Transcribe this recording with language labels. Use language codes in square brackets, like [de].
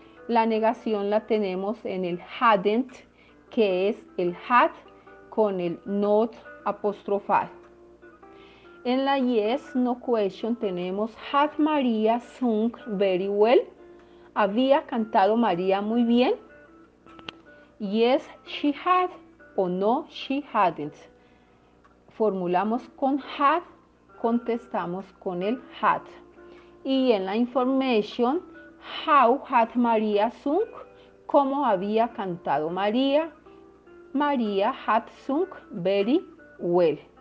[es] La negación la tenemos en el hadn't, que es el had con el not apostrofado. En la yes, no question tenemos: [en] Had María sung very well? [es] ¿Había cantado María muy bien? [en] Yes, she had, o no, she hadn't. [es] Formulamos con had, contestamos con el had. Y en la information, [en] how had María sung? [es] ¿Cómo había cantado María? [en] María had sung very well.